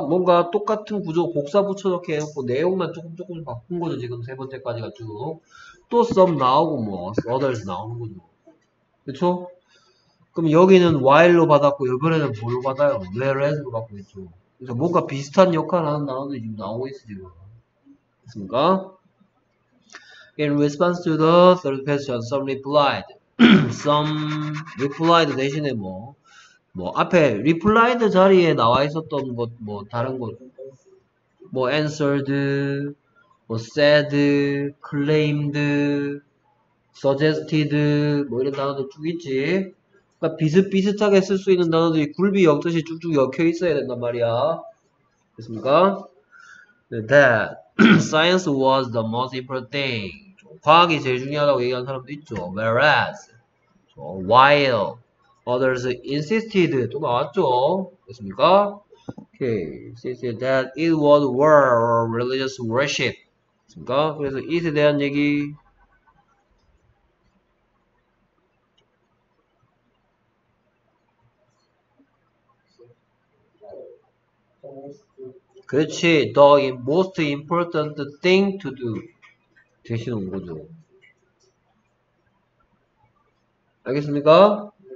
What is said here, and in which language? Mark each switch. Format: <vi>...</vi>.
<ko>뭔가 똑같은 구조 복사 붙여넣기 해놓고 내용만 조금 바꾼 거죠. 지금 세 번째까지가 쭉. 또 some 나오고 뭐 others 나오는 거죠. 그쵸? 그럼 여기는 while로 받았고 이번에는 뭘로 받아요? whereas로 받고 있죠. 뭔가 비슷한 역할을 하는 단어들이 지금 나오고 있어, 지금. 됐습니까?</ko> <en>In response to the third question, some replied.</en> <ko>some replied 대신에 뭐, 앞에 replied 자리에 나와 있었던 것, 뭐, 다른 것. 뭐, answered, 뭐, said, claimed, suggested, 뭐, 이런 단어도 쭉 있지. 그러니까 비슷비슷하게 쓸 수 있는 단어들이 굴비 엮듯이 쭉쭉 엮여 있어야 된단 말이야. 됐습니까?</ko> <en>That science was the most important thing.</en> <ko>과학이 제일 중요하다고 얘기한 사람도 있죠.</ko> <en>Whereas, while others insisted</en> <ko>또 나왔죠. 됐습니까?</ko> <en>Okay, since that it was were religious worship.</en> <ko>됐습니까? 그래서 it에 대한 얘기. 그렇지</ko> <en>the most important thing to do</en> <ko>대신 온 거죠 알겠습니까?</ko>